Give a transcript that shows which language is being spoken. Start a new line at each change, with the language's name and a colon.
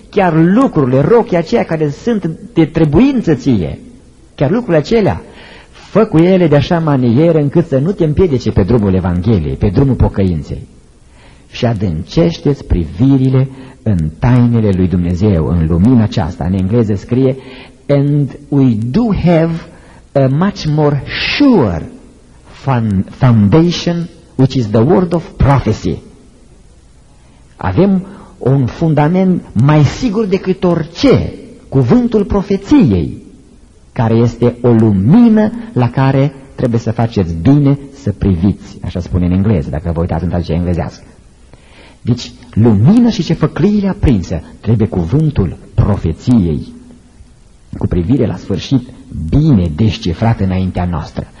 Romanian: Chiar lucrurile, rochii aceia care sunt de trebuință ție, chiar lucrurile acelea, fă cu ele de așa manieră încât să nu te împiedice pe drumul Evangheliei, pe drumul pocăinței. Și adâncește-ți privirile în tainele lui Dumnezeu, în lumina aceasta. În engleză scrie,
English: and we do have a much more sure foundation, which is the word of prophecy.
Romanian: Avem un fundament mai sigur decât orice, cuvântul profeției, care este o lumină la care trebuie să faceți bine să priviți, așa spune în engleză, dacă vă uitați în traducerea englezească. Deci, lumină și ce făcliile aprinse, trebuie cuvântul profeției cu privire la sfârșit bine descifrat înaintea noastră.